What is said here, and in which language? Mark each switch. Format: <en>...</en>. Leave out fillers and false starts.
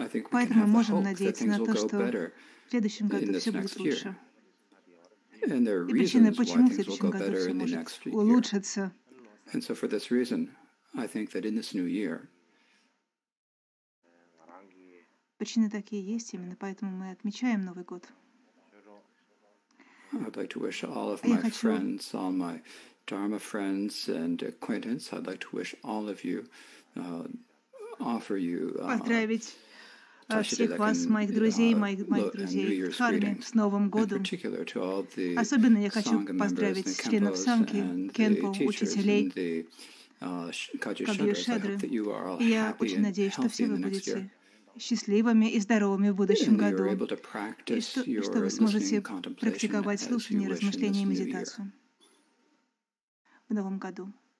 <ru>Поэтому мы можем надеяться на то, что в следующем году все будет лучше. И причины, почему в следующем году все может улучшиться.</ru> <en>And so for this reason, I think that in this new year,</en> <ru>причины такие есть, именно поэтому мы отмечаем Новый год.</ru> <en>I'd like to wish all of my friends, all my Dharma friends and acquaintance, I'd like to wish all of you, offer you,</en> <ru>поздравить всех вас, моих друзей, моих друзей в Дхарме, с Новым годом. Особенно я хочу поздравить членов Сангхи, Кенпо, учителей, Кагью Шедры. Я очень надеюсь, что все вы будете счастливыми и здоровыми в будущем году, и что вы сможете практиковать слушание, размышления и медитацию в Новом году.</ru>